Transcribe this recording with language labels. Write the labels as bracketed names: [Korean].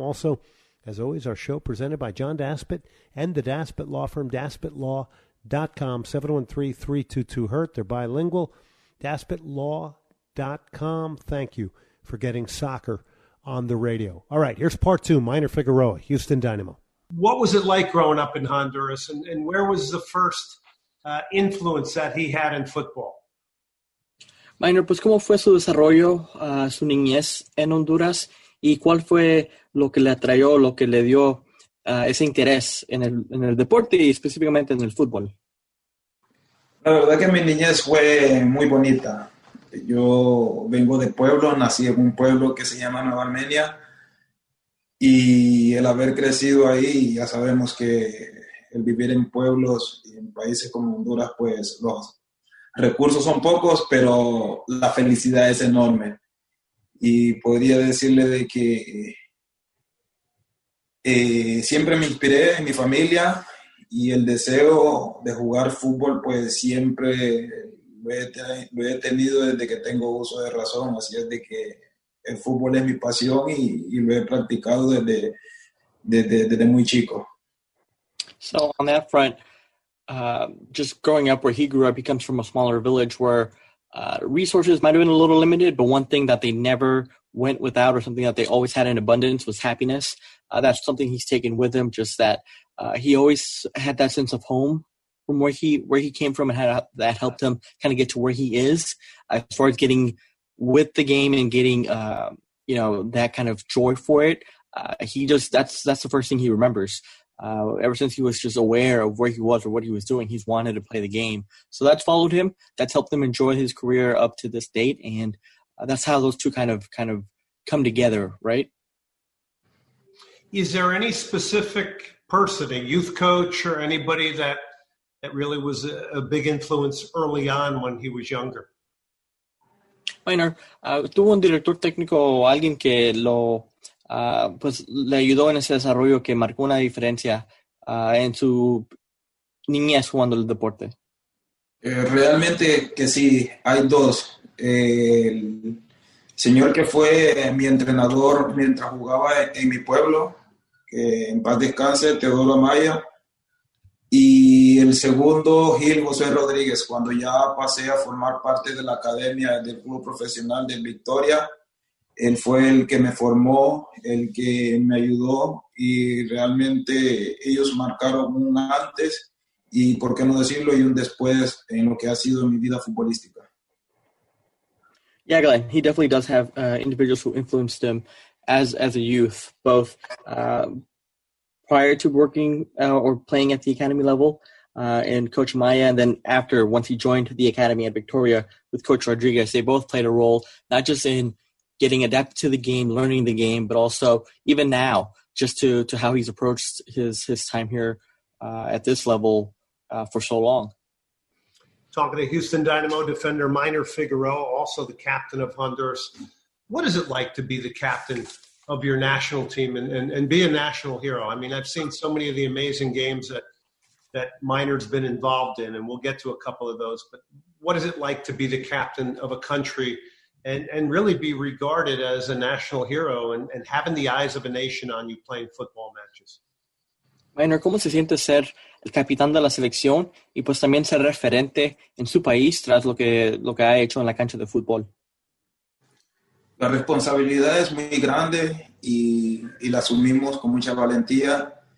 [English] Also, as always, our show presented by John Daspit and the Daspit Law Firm, DaspitLaw.com, 713-322-HURT. They're bilingual. Daspit Law. com. Thank you for getting soccer on the radio. All right, here's part two, Minor Figueroa, Houston Dynamo. What was it like growing up in Honduras, and where was the first influence that he had in football? [Spanish] Minor, pues, ¿cómo fue su desarrollo, su niñez en Honduras, y cuál fue lo que le atrayó, lo que le dio ese interés en el deporte y específicamente en el fútbol? La verdad que mi niñez fue muy bonita. Yo vengo de pueblo, nací en un pueblo que se llama Nueva Armenia, y el haber crecido ahí, ya sabemos que el vivir en pueblos y en países como Honduras, pues los recursos son pocos, pero la felicidad es enorme. Y podría decirle de que siempre me inspiré en mi familia, y el deseo de jugar fútbol, pues siempre lo he tenido desde que tengo uso de razón, así es de que el fútbol es mi pasión y lo he practicado desde muy chico. [English] So on that front, just growing up where he grew up, he comes from a smaller village where resources might have been a little limited, but one thing that they never went without, or something that they always had in abundance, was happiness. That's something he's taken with him, just that he always had that sense of home from where he came from, and how that helped him kind of get to where he is as far as getting with the game and getting you know, that kind of joy for it. That's the first thing he remembers. Ever since he was just aware of where he was or what he was doing, he's wanted to play the game. So that's followed him. That's helped him enjoy his career up to this date, and that's how those two kind of come together, right? Is there any specific person, a youth coach or anybody that really was a big influence early on when he was younger? [Spanish] Minor, tuvo un director técnico, alguien que lo, pues, le ayudó en ese desarrollo, que marcó una diferencia en su niñez jugando el deporte. Realmente que sí, hay dos. El señor que fue mi entrenador mientras jugaba en mi pueblo, que en paz descanse, Teodoro Amaya. Y el segundo, Gil José Rodríguez, cuando ya pasé a formar parte de la academia del club profesional de Victoria, él fue el que me formó, el que me ayudó, y realmente ellos marcaron un antes y, por qué no decirlo, y un después en lo que ha sido mi vida futbolística. [English] Yeah, Glenn, he definitely does have individuals who influenced him as a youth, both prior to working or playing at the academy level and Coach Maya, and then after, once he joined the academy at Victoria with Coach Rodriguez, they both played a role, not just in getting adapted to the game, learning the game, but also even now, just to how he's approached his time here at this level for so long. Talking to Houston Dynamo defender Minor Figueroa, also the captain of Honduras. What is it like to be the captain of your national team and be a national hero? I mean, I've seen so many of the amazing games that Minor's been involved in, and we'll get to a couple of those. But what is it like to be the captain of a country and really be regarded as a national hero and having the eyes of a nation on you playing football matches? [Spanish] Minor, ¿cómo se siente ser el capitán de la selección y pues también ser referente en su país tras lo que ha hecho en la cancha de fútbol? La responsabilidad es muy grande y la asumimos con mucha valentía.